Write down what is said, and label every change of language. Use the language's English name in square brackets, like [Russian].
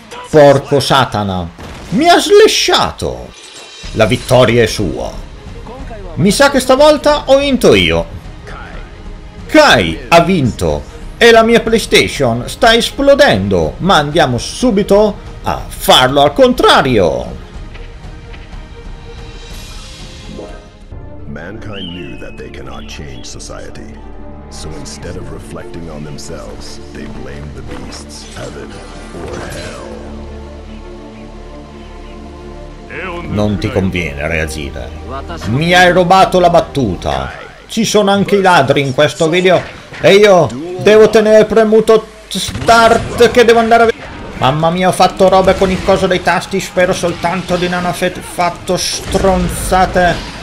[Italian] Porco satana, mi ha slasciato. La vittoria è sua. Mi sa che stavolta ho vinto io. Kai ha vinto e la mia PlayStation sta esplodendo, ma andiamo subito a farlo al contrario. [English] Mankind knew that they cannot change society. So instead of reflecting on themselves, they blamed the beasts, heaven or hell. [Italian] Non ti conviene reagire. Mi hai rubato la battuta. Ci sono anche i ladri in questo video. E io devo tenere premuto Start, che devo andare a vedere. Mamma mia, ho fatto robe con il coso dei tasti. Spero soltanto di non aver fatto stronzate